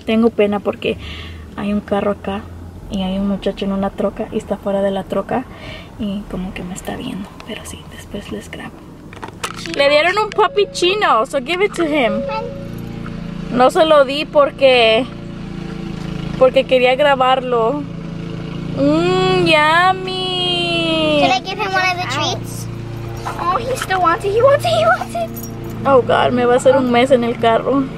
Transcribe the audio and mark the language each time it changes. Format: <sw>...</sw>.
<es>Tengo pena porque hay un carro acá y hay un muchacho en una troca y está fuera de la troca y como que me está viendo. Pero sí, después les grabo. Le dieron un puppy chino,</es> <en>so give it to him.</en> <es>No se lo di porque quería grabarlo.</es> <en>Yummy. Can I give him one of the treats? Oh, he still wants it. He wants it. He wants it.</en> <es>Oh God, me va a hacer un mes en el carro.</es>